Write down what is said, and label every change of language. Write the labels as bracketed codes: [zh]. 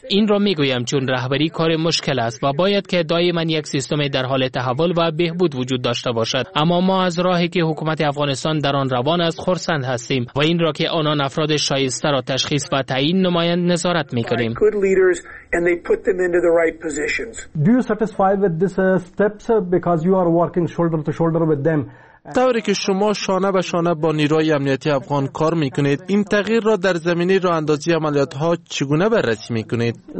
[fa] این را میگویم چون رهبری کار مشکل است و باید که دائما یک سیستم در حال تحول و بهبود وجود داشته باشد، اما ما از راهی که حکومت افغانستان در آن روان است خرسند هستیم و این را که آنان افراد شایسته را تشخیص و تعیین نمایند نظارت می‌کنیم. [en] And they put them into the right positions. Do you satisfy with these steps because you are working shoulder to shoulder with them [fa] طوری که شما شانه به شانه با نیروهای امنیتی افغان کار میکنید، این تغییر را در زمینه راه اندازی عملیات ها چگونه بررسی میکنید؟